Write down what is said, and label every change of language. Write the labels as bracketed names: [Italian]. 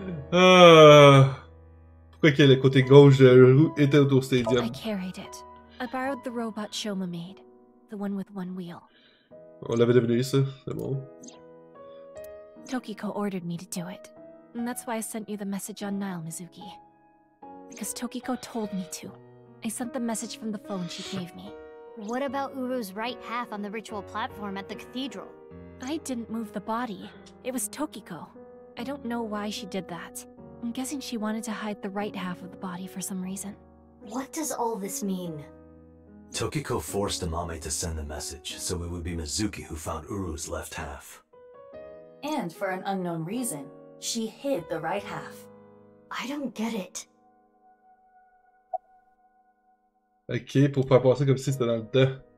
[French] Pourquoi que le côté gauche de Uru était au stadium? [English] I carried it. I borrowed the robot Shoma made, the one with one wheel. [French] On l'avait devenu ça, c'est bon. [English] Tokiko ordered me to do it, and that's why I sent you the message on Nile, Mizuki. Because Tokiko told me to. I sent the message from the phone she gave me. What about Uru's right half on the ritual platform at the cathedral? I didn't move the body. It was Tokiko. I don't know why she did that. I'm guessing she wanted to hide the right half of the body for some reason. What does all this mean? Tokiko forced Amame to send the message, so it would be Mizuki who found Uru's left half. And for an unknown reason, she hid the right half. I don't get it. [French] Okay, pour faire passer comme si c'était dans le temps.